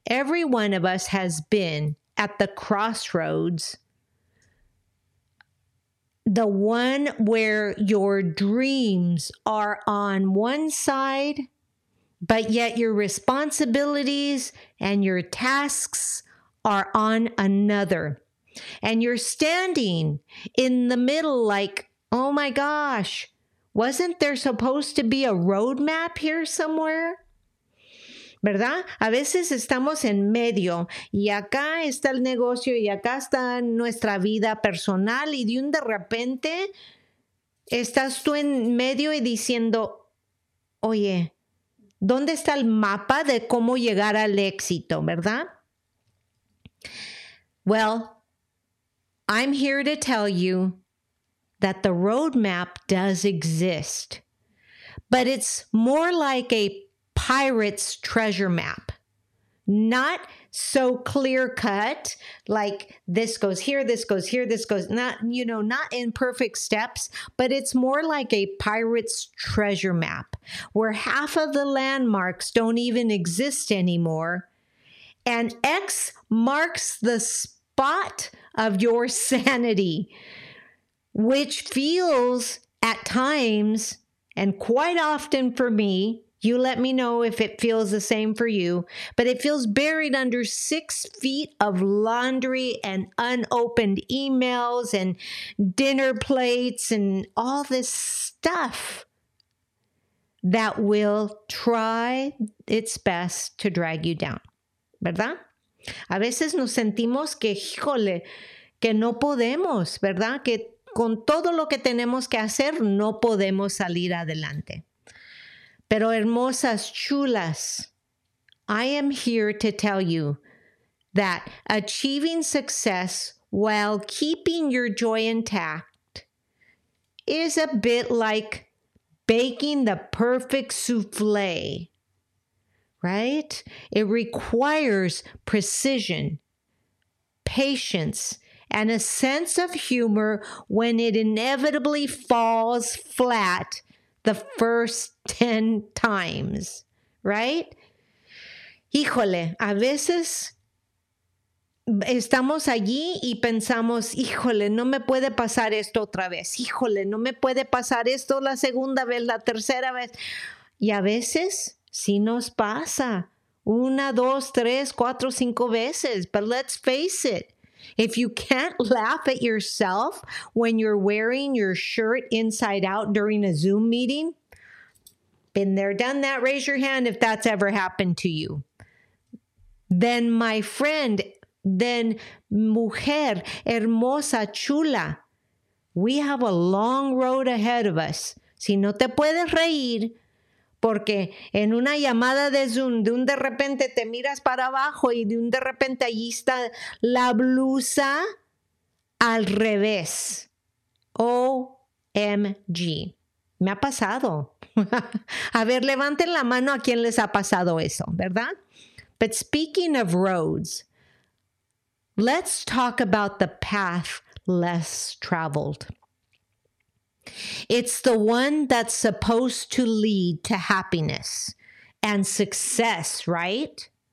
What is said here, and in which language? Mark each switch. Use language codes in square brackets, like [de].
[en] Every one of us has been at the crossroads, the one where your dreams are on one side, but yet your responsibilities and your tasks are on another. And you're standing in the middle like, oh my gosh, Wasn't there supposed to be a roadmap here somewhere? [es] ¿Verdad? A veces estamos en medio y acá está el negocio y acá está nuestra vida personal y de repente estás tú en medio y diciendo, oye, ¿dónde está el mapa de cómo llegar al éxito? ¿Verdad? [en] Well, I'm here to tell you that the roadmap does exist, but it's more like a pirate's treasure map. Not so clear cut, like this goes here, this goes here, this goes, not in perfect steps, but it's more like a pirate's treasure map where half of the landmarks don't even exist anymore. And X marks the spot of your sanity, which feels at times, and quite often for me, you let me know if it feels the same for you, but it feels buried under 6 feet of laundry and unopened emails and dinner plates and all this stuff that will try its best to drag you down. [es] ¿Verdad? A veces nos sentimos que, híjole, que no podemos, ¿verdad? Que con todo lo que tenemos que hacer, no podemos salir adelante. Pero hermosas, chulas, [en] I am here to tell you that achieving success while keeping your joy intact is a bit like baking the perfect souffle, right? It requires precision, patience, and a sense of humor when it inevitably falls flat the first 10 times, right? [es] Híjole, a veces estamos allí y pensamos, híjole, no me puede pasar esto otra vez. Híjole, no me puede pasar esto la segunda vez, la tercera vez. Y a veces sí nos pasa una, dos, tres, cuatro, cinco veces. [en] But let's face it. If you can't laugh at yourself when you're wearing your shirt inside out during a Zoom meeting, been there, done that, raise your hand if that's ever happened to you. Then, my friend, then, [es] mujer, hermosa, chula, [en] we have a long road ahead of us. [es] Si no te puedes reír, porque en una llamada de Zoom, de repente te miras para abajo y de repente allí está la blusa al revés. OMG. Me ha pasado. A ver, levanten la mano a quien les ha pasado eso, ¿verdad? [en] But speaking of roads, let's talk about the path less traveled. It's the one that's supposed to lead to happiness and success, right?